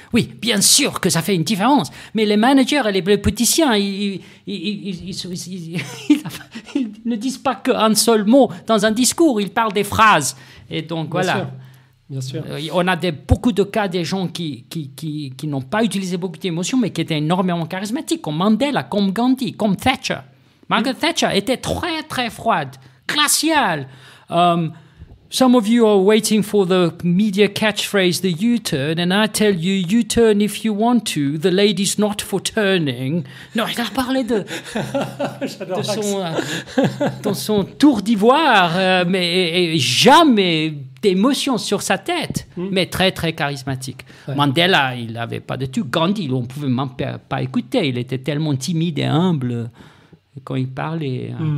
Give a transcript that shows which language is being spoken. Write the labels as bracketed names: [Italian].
[French] Oui, bien sûr que ça fait une différence. Mais les managers et les politiciens, ils ne disent pas qu'un seul mot dans un discours. Ils parlent des phrases. Et donc, voilà. Bien sûr. On a beaucoup de cas des gens qui n'ont pas utilisé beaucoup d'émotions, mais qui étaient énormément charismatiques, comme Mandela, comme Gandhi, comme Thatcher. Margaret Thatcher était très, très froide, glaciale. [English] Some of you are waiting for the media catchphrase, the U-turn, and I tell you, you turn if you want to, the lady's not for turning. [French] Non, il a parlé de, de son, dans son tour d'ivoire, mais jamais d'émotion sur sa tête, mais très, très charismatique. Ouais. Mandela, il n'avait pas de tout. Gandhi, on ne pouvait même pas écouter, il était tellement timide et humble quand il parlait.